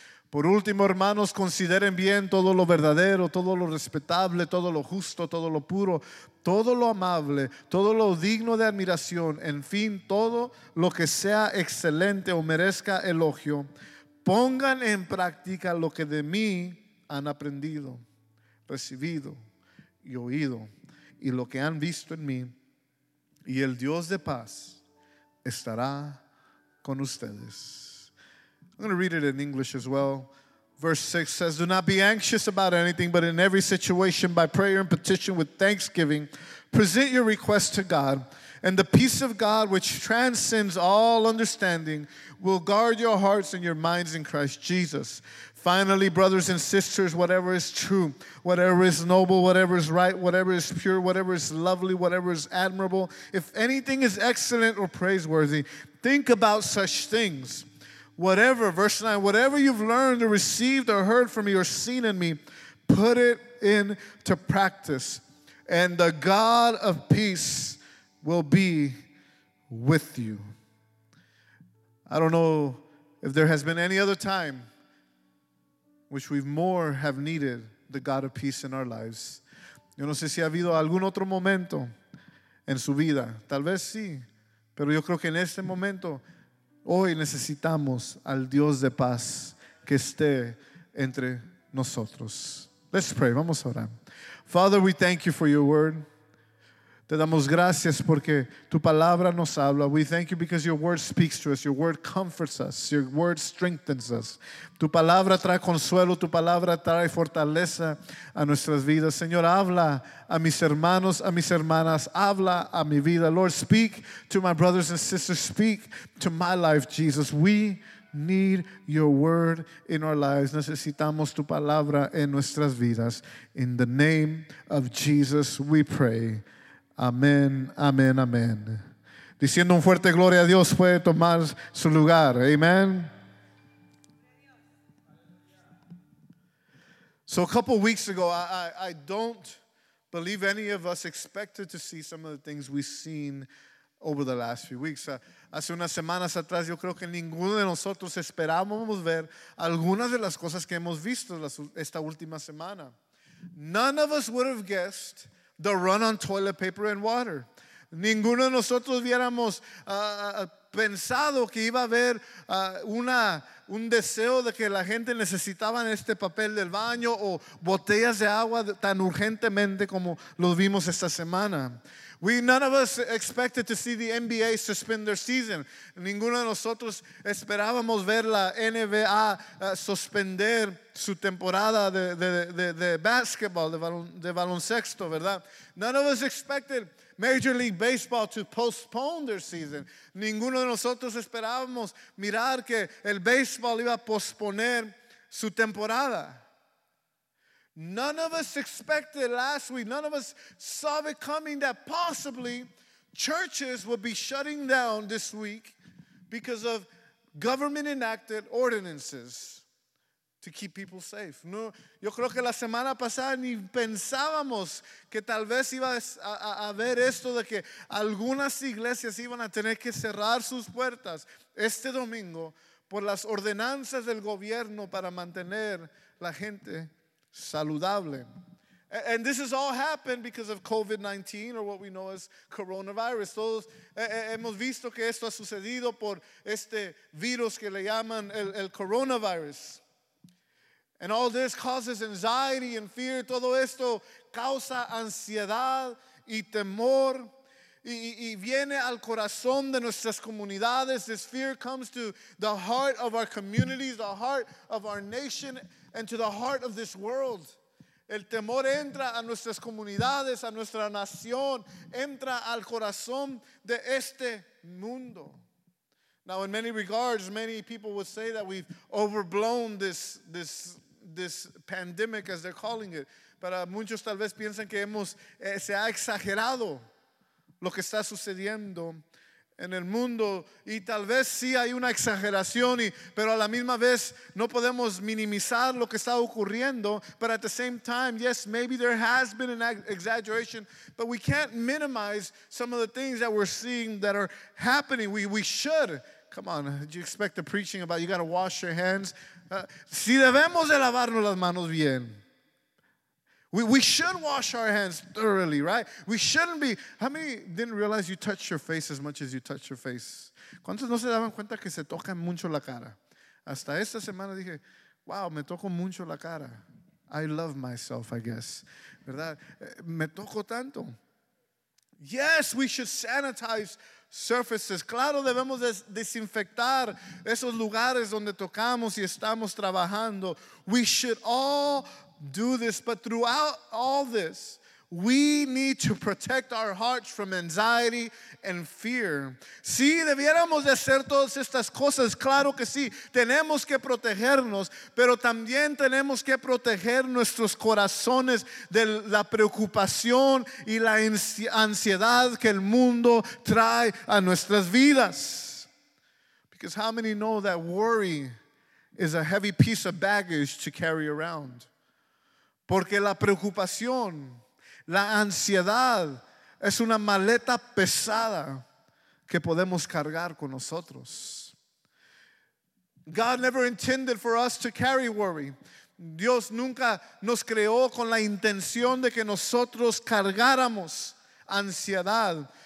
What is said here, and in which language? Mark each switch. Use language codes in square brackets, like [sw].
[es] Por último, hermanos, consideren bien todo lo verdadero, todo lo respetable, todo lo justo, todo lo puro, todo lo amable, todo lo digno de admiración, en fin, todo lo que sea excelente o merezca elogio. Pongan en práctica lo que de mí han aprendido, recibido y oído, y lo que han visto en mí, y el Dios de paz estará con ustedes. [en] I'm going to read it in English as well. Verse 6 says, do not be anxious about anything, but in every situation, by prayer and petition with thanksgiving, present your request to God, and the peace of God, which transcends all understanding, will guard your hearts and your minds in Christ Jesus. Finally, brothers and sisters, whatever is true, whatever is noble, whatever is right, whatever is pure, whatever is lovely, whatever is admirable, if anything is excellent or praiseworthy, think about such things. Whatever, verse 9, whatever you've learned or received or heard from me or seen in me, put it into practice, and the God of peace will be with you. I don't know if there has been any other time which we more have needed the God of peace in our lives. [es] Yo no sé si ha habido algún otro momento en su vida. Tal vez sí, pero yo creo que en este momento, hoy necesitamos al Dios de paz que esté entre nosotros. [en] Let's pray. [es] Vamos a orar. [en] Father, we thank you for your word. [es] Te damos gracias porque tu palabra nos habla. [en] We thank you because your word speaks to us. Your word comforts us. Your word strengthens us. [es] Tu palabra trae consuelo. Tu palabra trae fortaleza a nuestras vidas. Señor, habla a mis hermanos, a mis hermanas. Habla a mi vida. [en] Lord, speak to my brothers and sisters. Speak to my life, Jesus. We need your word in our lives. [es] Necesitamos tu palabra en nuestras vidas. [en] In the name of Jesus, we pray. [es] Amén, amén, amén. Diciendo un fuerte gloria a Dios, puede tomar su lugar. Amén. [en] So a couple weeks ago, I don't believe any of us expected to see some of the things we've seen over the last few weeks. [es] Hace unas semanas atrás, yo creo que ninguno de nosotros esperábamos ver algunas de las cosas que hemos visto esta última semana. [en] None of us would have guessed the run on toilet paper and water. [es] Ninguno de nosotros hubiéramos pensado que iba a haber un deseo de que la gente necesitaba este papel del baño o botellas de agua tan urgentemente como los vimos esta semana. [en] We, none of us expected to see the NBA suspend their season. [es] Ninguno de nosotros esperábamos ver la NBA suspender su temporada de basketball, de baloncesto, ¿verdad? [en] None of us expected Major League Baseball to postpone their season. [es] Ninguno de nosotros esperábamos mirar que el baseball iba a posponer su temporada. [en] None of us expected last week, none of us saw it coming that possibly churches would be shutting down this week because of government-enacted ordinances to keep people safe. [es] No, yo creo que la semana pasada ni pensábamos que tal vez iba a haber esto de que algunas iglesias iban a tener que cerrar sus puertas este domingo por las ordenanzas del gobierno para mantener la gente saludable. [en] And this has all happened because of COVID-19, or what we know as coronavirus. [es] Todos hemos visto que esto ha sucedido por este virus que le llaman el coronavirus. [en] And all this causes anxiety and fear. [es] Todo esto causa ansiedad y temor. Y viene al corazón de nuestras comunidades. [en] This fear comes to the heart of our communities, the heart of our nation, and to the heart of this world. [es] El temor entra a nuestras comunidades, a nuestra nación, entra al corazón de este mundo. [en] Now, in many regards, many people would say that we've overblown this pandemic, as they're calling it. [es] Para muchos tal vez piensan que se ha exagerado lo que está sucediendo en el mundo, y tal vez sí hay una exageración, pero a la misma vez no podemos minimizar lo que está ocurriendo. [en] But at the same time, yes, maybe there has been an exaggeration, but we can't minimize some of the things that we're seeing that are happening. We should. Come on, did you expect the preaching about you got to wash your hands? [es] Si debemos de lavarnos las manos bien. [en] We should wash our hands thoroughly, right? We shouldn't be. How many didn't realize you touched your face as much as you touched your face? [es] ¿Cuántos no se daban cuenta que se tocan mucho la cara? Hasta esta semana dije, wow, me toco mucho la cara. [en] I love myself, I guess. [es] ¿Verdad? Me toco tanto. [en] Yes, we should sanitize surfaces. [es] Claro, debemos desinfectar esos lugares donde tocamos y estamos trabajando. [en] We should all do this, but throughout all this, we need to protect our hearts from anxiety and fear. [es] Sí, debiéramos de hacer todas estas cosas, claro que sí. Tenemos que protegernos, pero también tenemos que proteger nuestros corazones de la preocupación y la ansiedad que el mundo trae a nuestras vidas. [en] Because how many know that worry is a heavy piece of baggage to carry around? [es] Porque la preocupación, la ansiedad, es una maleta pesada que podemos cargar con nosotros. [en] God never intended for us to carry worry. [es] Dios nunca nos creó con la intención de que nosotros cargáramos ansiedad.